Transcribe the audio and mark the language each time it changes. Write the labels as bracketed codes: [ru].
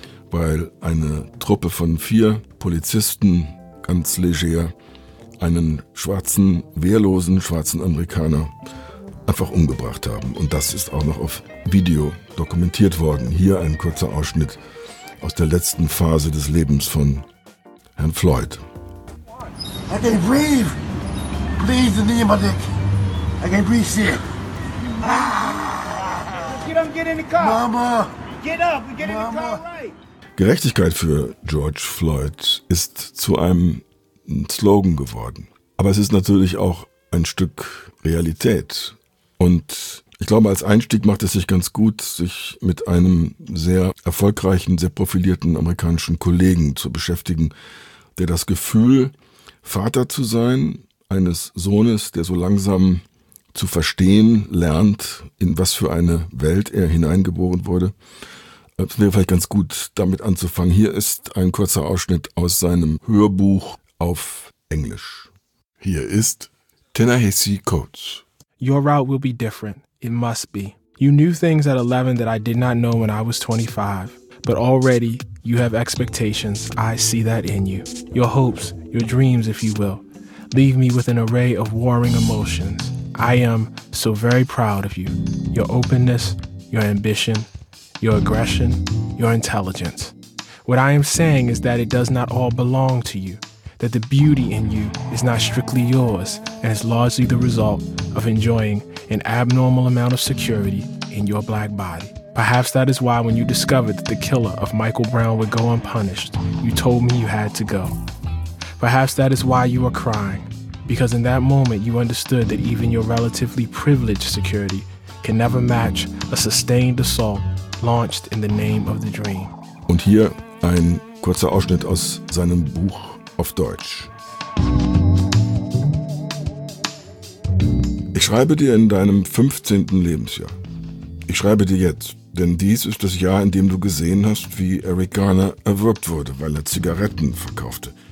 [de] Weil eine Truppe von 4 Polizisten ganz leger einen schwarzen, wehrlosen schwarzen Amerikaner einfach umgebracht haben. Und das ist auch noch auf Video dokumentiert worden. Hier ein kurzer Ausschnitt aus der letzten Phase des Lebens von Herrn Floyd. [en] I can't breathe. Please, the knee in my dick. I can't breathe, see it. Get up, get in the car. Mama. Get up, get in the car, right. [de] Gerechtigkeit für George Floyd ist zu einem Slogan geworden. Aber es ist natürlich auch ein Stück Realität. Und ich glaube, als Einstieg macht es sich ganz gut, sich mit einem sehr erfolgreichen, sehr profilierten amerikanischen Kollegen zu beschäftigen, der das Gefühl, Vater zu sein, eines Sohnes, der so langsam zu verstehen lernt, in was für eine Welt er hineingeboren wurde. Es wäre vielleicht ganz gut, damit anzufangen. Hier ist ein kurzer Ausschnitt aus seinem Hörbuch auf Englisch. Hier ist Ta-Nehisi Coates. [en] Your route will be different. It must be. You knew things at 11 that I did not know when I was 25. But already, you have expectations. I see that in you. Your hopes, your dreams, if you will. Leave me with an array of warring emotions. I am so very proud of you. Your openness, your ambition, your aggression, your intelligence. What I am saying is that it does not all belong to you, that the beauty in you is not strictly yours and is largely the result of enjoying an abnormal amount of security in your black body. Perhaps that is why when you discovered that the killer of Michael Brown would go unpunished, you told me you had to go. Perhaps that is why you are crying, because in that moment you understood that even your relatively privileged security can never match a sustained assault launched in the name of the dream. [de] Und hier ein kurzer Ausschnitt aus seinem Buch auf Deutsch. Ich schreibe dir in deinem 15. Lebensjahr. Ich schreibe dir jetzt, denn dies ist das Jahr, in dem du gesehen hast, wie Eric Garner erwürgt wurde, weil er Zigaretten verkaufte.